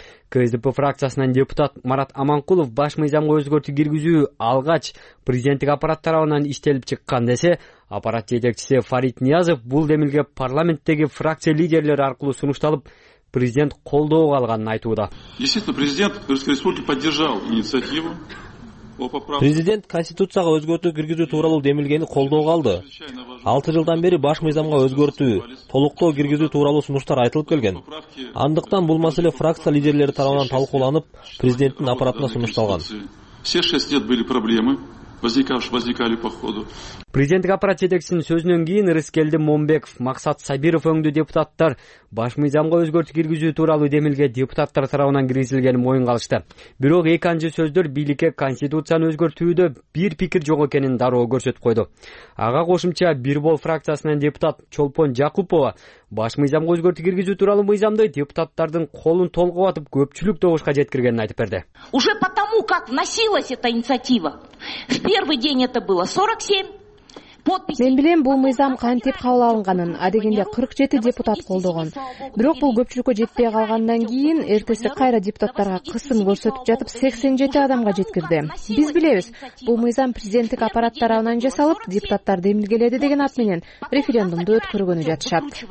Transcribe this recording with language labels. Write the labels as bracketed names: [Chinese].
[Kyrgyz] КСДП фракциясынан депутат Марат Аманкулов баш мыйзамга өзгөртүү киргизүү алгач президенттик аппарат тарабынан иштелип чыккан десе, аппарат жетекчиси Фарид Ниязов бул демилге парламенттеги фракция лидерлери аркылуу сунушталып, президент колдоого алганын айтууда. [Russian] Действительно, президент Кыргызской Республики поддержал инициативу. [Kyrgyz] Президент конституцияга өзгөртүү киргизүү тууралуу демилгени колдоого алды. 6 жылдан бери баш мыйзамга өзгөртүү, толуктоо киргизүү тууралуу сунуштар айтылып келген. Андыктан бул маселе фракция лидерлери тарабынан талкууланып, президенттин аппаратына сунушталган. [Russian] Все 6 лет были проблемы, возникали по ходу. [Kyrgyz] Президенттик аппарат жетекчисинин сөзүнөн кийин Рыскелди Момбеков, Максат Сабиров өңдүү депутаттар баш мыйзамга өзгөртүү киргизүү тууралуу демилге депутаттар тарабынан киргизилгенин моюнга алышты. Бирок экинчи сөздөр бийликке конституцияны өзгөртүүдө бир пикир жок экенин дароо көрсөтүп койду. Ага кошумча Бир бол фракциясынан депутат Чолпон Жакупова баш мыйзамга өзгөртүү киргизүү тууралуу мыйзамды депутаттардын колун толгоп атып көпчүлүк добушка жеткиргенин айтып берди. [Russian] Уже потому как носилась эта инициатива. В первый день это было 47. [Kyrgyz] Мен билем бул мыйзам кантип кабыл алынганын, адегенде 47 депутат колдогон. Бирок бул көпчүлүккө жетпей калгандан кийин эртеси кайра депутаттарга кысым көрсөтүп жатып 87 адамга жеткирди. Биз билебиз, бул мыйзам президенттик аппарат тарабынан жасалып, депутаттар демилгеледи деген ат менен референдумду өткөргөнү жатышат.